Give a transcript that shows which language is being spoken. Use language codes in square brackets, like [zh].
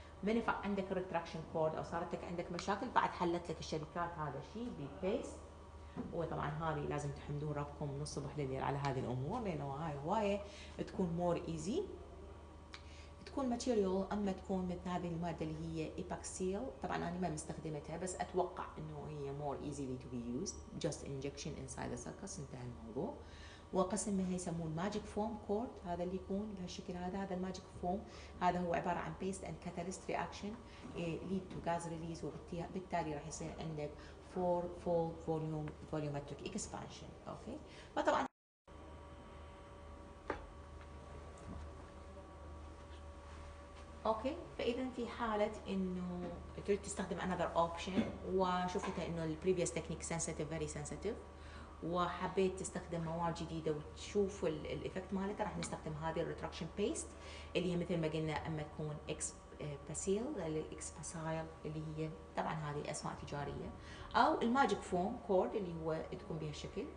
[ar] من فع عندك الريتراكشن كورد أو صارتك عندك مشاكل بعد حلت لك الشركات هذا شيء بيبيس، وطبعاً هذه لازم تحمدون ربكم من الصبح لليل على هذه الأمور لأنه هاي هواية تكون [en] more easy. [ar] تكون ماتيريال أما تكون مثل هذه المادة اللي هي إيباكسيل، طبعاً أنا ما مستخدمتها بس أتوقع إنه هي [en] more easily to be used just injection inside the sulcus [ar] انتهى الموضوع. وقسمها يسمون [en] magic foam cord، [ar] هذا اللي يكون بهالشكل [en] هذا magic foam، [ar] هذا هو عبارة عن [en] paste and catalyst reaction lead to gas release [ar] وبالتالي راح يصير عندك [en] fourfold volumetric expansion. [ar] أوكي، فطبعاً اوكي، فاذا في حاله انه تريد تستخدم [en] another option [ar] وشفت انه البريفيوس [en] technique sensitive very sensitive [ar] وحبيت تستخدم مواد جديده وتشوف الايفكت مالتها، راح نستخدم هذه الريتراكشن بيست اللي هي مثل ما قلنا اما تكون اكس باسيل الاكس باسايل اللي هي طبعا هذه اسماء تجاريه، او الماجيك فوم كورد اللي هو تكون بها الشكل.